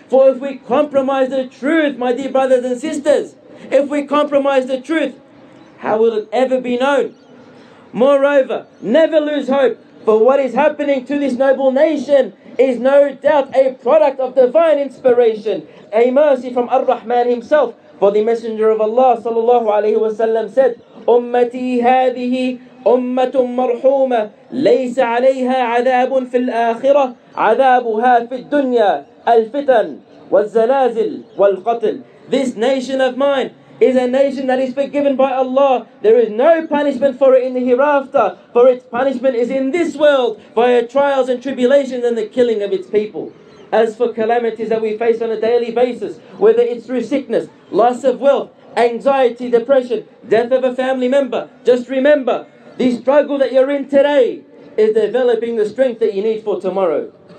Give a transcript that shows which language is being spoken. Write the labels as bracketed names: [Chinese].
[English] For if we compromise the truth, my dear brothers and sisters, if we compromise the truth, how will it ever be known? Moreover, never lose hope, for what is happening to this noble nation is no doubt a product of divine inspiration, a mercy from Ar-Rahman himself. For the Messenger of Allah sallallahu alaihi wasallam said, [Arabic] Ummati hadihi أمة مرحومة ليس عليها عذاب في الآخرة عذابها في الدنيا الفتن والزلازل والقتل. [English] This nation of mine is a nation that is forgiven by Allah. There is no punishment for it in the hereafter, for its punishment is in this world via trials and tribulations and the killing of its people. As for calamities that we face on a daily basis, whether it's through sickness, loss of wealth, anxiety, depression, death of a family member, just remember, the struggle that you're in today is developing the strength that you need for tomorrow.